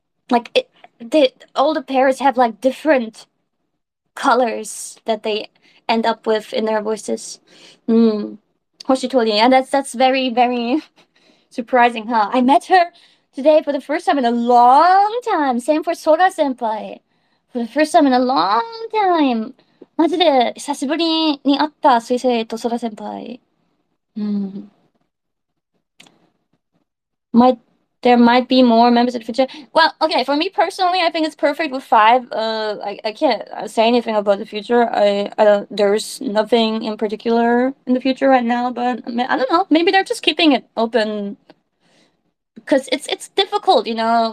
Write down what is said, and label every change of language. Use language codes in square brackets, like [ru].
[en] Like all the pairs have like different colors that they end up with in their voices. Hoshi told you, yeah, that's very, very surprising, huh? I met her today for the first time in a long time. Same for Soda Senpai. For the first time in a long time. [ja] マジで久しぶりに会った水星と空先輩。 [en] There might be more members in the future. Well, okay, for me personally, I think it's perfect with five. I can't say anything about the future. There's nothing in particular in the future right now, but I mean, I don't know. Maybe they're just keeping it open because it's difficult, you know?